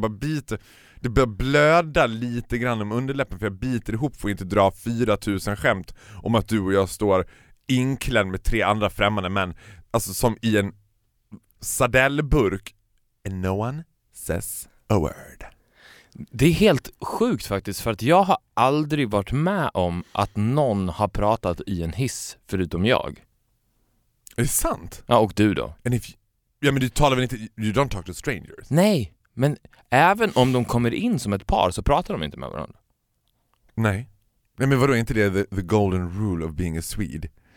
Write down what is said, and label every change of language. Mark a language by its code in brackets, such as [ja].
[sv] Jag bara biter, det börjar blöda lite grann om underläppen för jag biter ihop för att inte dra 4000 skämt om att du och jag står inklädd med tre andra främmande män. Alltså som i en sardellburk. [en] And no one says a word. [sv] Det är helt sjukt faktiskt, för att jag har aldrig varit med om att någon har pratat i en hiss förutom jag. Är det sant? Ja, och du då? [en] And if you, [sv] ja, men du talar väl inte, [en] you don't talk to strangers. [sv] Nej, men även om de kommer in som ett par så pratar de inte med varandra. Nej. Nej, men vadå, är inte det [en] the golden rule of being a Swede?